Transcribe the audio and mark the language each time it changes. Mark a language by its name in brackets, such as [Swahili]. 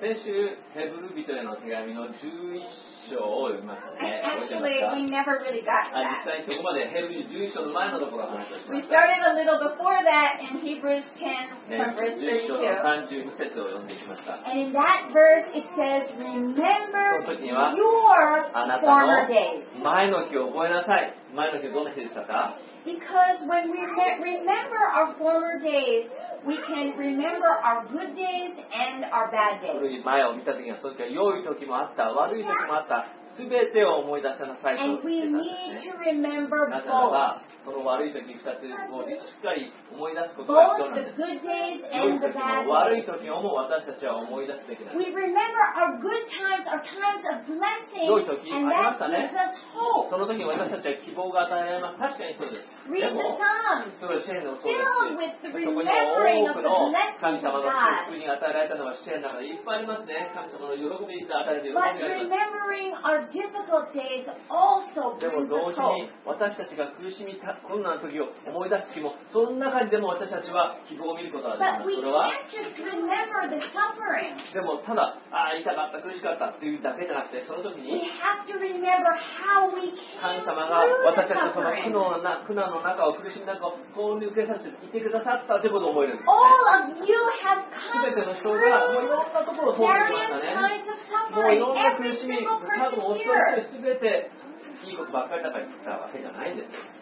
[Japanese] 先週ヘブル人への手紙の11章を読みましたね。 [English] Actually, we never really got to that. [Japanese] 実際そこまでヘブル11章の前のところを話しました。 [English] We started a little before that in Hebrews 10 from verse 32. [Japanese] 11章の32節を読んでいきました。 [English] And in that verse it says, remember your former days. [Japanese] 前の日を覚えなさい。前の日どんな日でしたか？ [English] Because when we remember our former days, we can remember our good days and our bad days. [Japanese] 古い前を見た時にはその時は良い時もあった悪い時もあった全てを思い出せなさいと言ってたんですね。 [English] And we need to remember both. [Japanese] なぜならばその悪い時2つをしっかり思い出すことが必要なんです。 [English] Both the good days and the bad days. [Japanese] 良い時も悪い時も私たちは思い出すべきなんです。 [English] We remember our good times, our times of blessing, and that gives us hope. [Japanese] その時に私たちは希望が与えられます。確かにそうです。 [English] Read the Psalms. [Japanese] それは詩篇でもそう [English] です。Filled with the remembering of the blessings of God. [Japanese] 神様の祝福に与えられたのは詩篇だからいっぱいありますね。神様の喜びに与えられた喜びがあります。 [English] But remembering our difficult days also brings hope. [Japanese] でも同時に私たちが苦しみ困難の時を思い出す時も、その中にでも私たちは希望を見ることができます。それは。 [English] But we can't just remember the suffering. [Japanese] でもただ、ああ痛かった苦しかったというだけじゃなくて、その時に。 [English] We have to remember how we came through the suffering. [Japanese] 神様が私たちのその苦難の中を苦しみの中をこう受けさせていてくださったということを覚えるんです、 [English] ね、All of you have come [Japanese] 全ての人がもういろんなところを通ってきましたね。もういろんな苦しみ多分おっしゃって全ていいことばっかりだから言ったわけじゃないんですよ。